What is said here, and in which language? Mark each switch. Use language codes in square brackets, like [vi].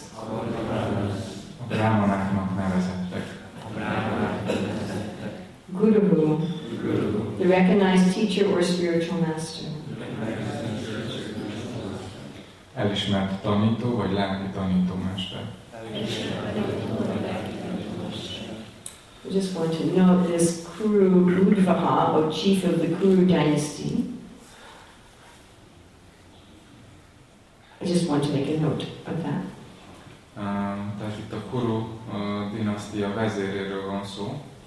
[hu] A brahmanáknak nevezettek. [en] Guru. The recognized teacher or spiritual master. [hu] Elismert tanító vagy lelki tanító mester. [en] I just want to know this Kuru Udvaha, or chief of the Kuru dynasty. I just want to make a note of that. [hu] Tehát itt a Kuru dinasztia vezéréről van szó.